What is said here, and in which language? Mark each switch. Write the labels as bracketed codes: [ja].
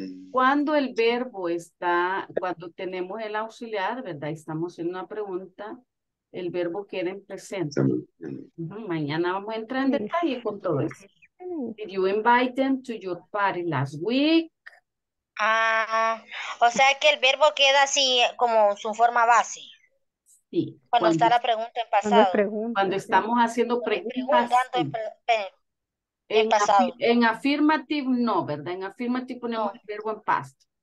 [es] Cuando el verbo está, cuando tenemos el auxiliar, ¿verdad? Estamos en una pregunta, el verbo queda en presente. Mañana vamos a entrar en detalle con todo eso. [en] Did you invite them to your party last week? [es] O sea que el verbo queda así como su forma base. Sí. Cuando está la pregunta en pasado. Pregunta, cuando estamos haciendo preguntas. Preguntando en pasado. En affirmative no, ¿verdad? En affirmative ponemos el verbo en past.